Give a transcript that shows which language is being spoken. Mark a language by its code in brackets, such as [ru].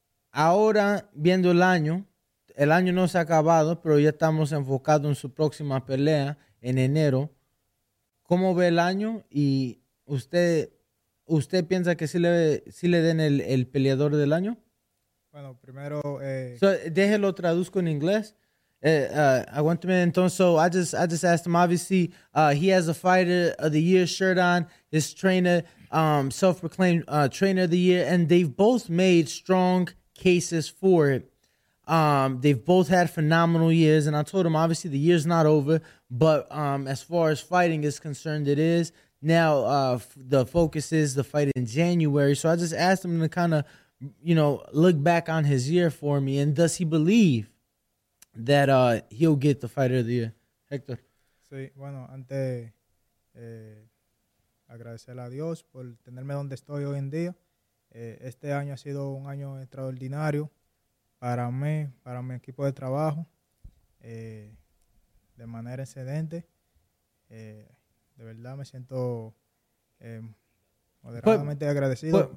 [es] Ahora, viendo el año no se ha acabado, pero ya estamos enfocados en su próxima pelea en enero. ¿Cómo ve el año? ¿Y usted piensa que sí le den el peleador del año? Bueno, primero... Déjelo traduzco en inglés. [en] I just asked him, obviously, he has a Fighter of the Year shirt on, his trainer, self-proclaimed Trainer of the Year, and they've both made strong cases for it. They've both had phenomenal years, and I told him, obviously, the year's not over, but as far as fighting is concerned, it is. Now, the focus is the fight in January, so I just asked him to kind of, you know, look back on his year for me, and does he believe that he'll get the Fighter of the Year? Hector. [es] Sí, bueno, antes, agradecer a Dios por tenerme donde estoy hoy en día. Este año ha sido un año extraordinario. Para mí, para mi equipo de trabajo, de manera excedente, de verdad me siento moderadamente agradecido.